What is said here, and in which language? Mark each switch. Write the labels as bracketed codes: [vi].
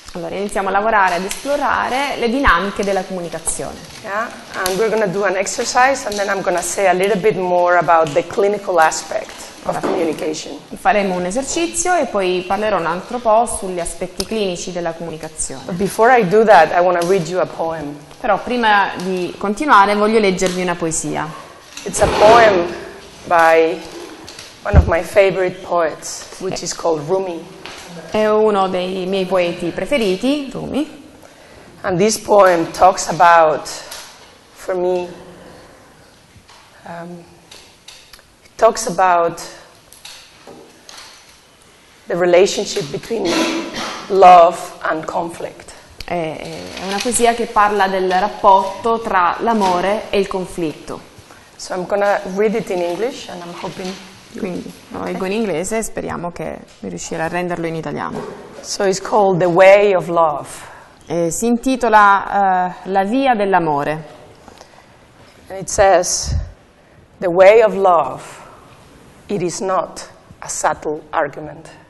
[it] Allora, iniziamo a lavorare ad esplorare le dinamiche della comunicazione. [en] Yeah, and we're going to do an exercise and then I'm going to say a little bit more about the clinical aspect of communication. [it] Faremo un esercizio e poi parlerò un altro po' sugli aspetti clinici della comunicazione. [en] But before I do that, I want to read you a poem. [it] Però prima di continuare voglio leggervi una poesia. [en] It's a poem by one of my favorite poets, which is called Rumi. [it] È uno dei miei poeti preferiti, Rumi. [en] And this poem talks about, for me, it talks about the relationship between love and conflict. [it] È una poesia che parla del rapporto tra l'amore e il conflitto. [en] So I'm gonna read it in English and I'm hoping. [it] Quindi lo leggo in inglese e speriamo che riuscirà a renderlo in italiano. [en] So it's called The Way of Love. [it] E si intitola La via dell'amore. [en] And it says, The way of love, it is not a subtle argument.